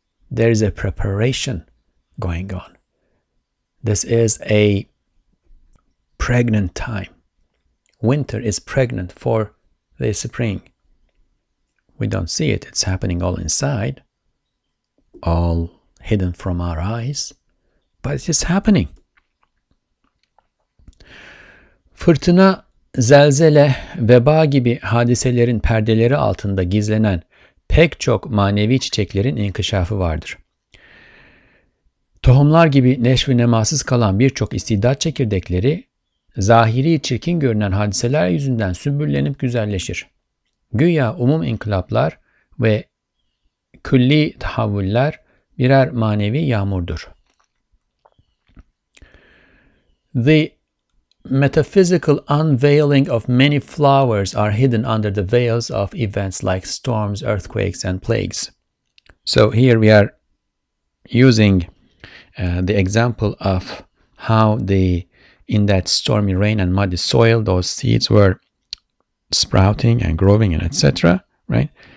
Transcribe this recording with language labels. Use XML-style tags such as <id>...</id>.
<en>There is a preparation going on. This is a pregnant time. Winter is pregnant for the spring. We don't see it. It's happening all inside, all hidden from our eyes, but it is happening.</en> <tr>Fırtına, zelzele, veba gibi hadiselerin perdeleri altında gizlenen pek çok manevi çiçeklerin inkişafı vardır. Tohumlar gibi neşvi nemasız kalan birçok istidat çekirdekleri, zahiri çirkin görünen hadiseler yüzünden sümbürlenip güzelleşir. Güya umum inkılaplar ve külli tahavvüller birer manevi yağmurdur.</tr> <en>The metaphysical unveiling of many flowers are hidden under the veils of events like storms, earthquakes, and plagues. So here we are using the example of how the in that stormy rain and muddy soil those seeds were sprouting and growing and etc. Right?</en>